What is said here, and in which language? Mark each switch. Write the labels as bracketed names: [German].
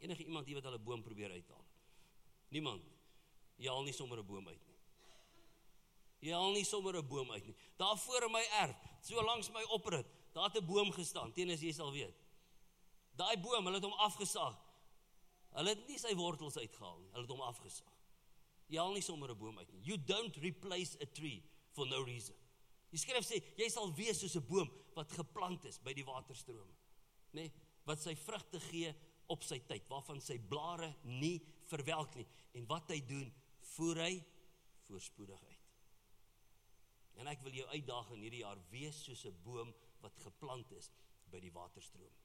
[Afrikaans] Enige iemand hier wat al 'n boom probeer uithaal? Niemand. Jy haal nie sommer 'n boom uit nie. Daar voor in my erf, so langs my oprit, daar het 'n boom gestaan, teen as jy sal weet. Daai boom, hulle het hom afgesag. Hulle het nie sy wortels uitgehaal nie, hulle het hom afgesag. Jy haal nie sommer 'n boom uit nie. [English] You don't replace a tree for no reason. [Afrikaans] Die skrif sê, jy sal wees soos 'n boom wat geplant is by die waterstroom. Nee, wat sy vrugte gee op sy tyd, waarvan sy blare nie verwelk nie. En wat hy doen, voer hy voorspoedig uit. En ek wil jou uitdaag in hierdie jaar, wees soos 'n boom wat geplant is by die waterstroom.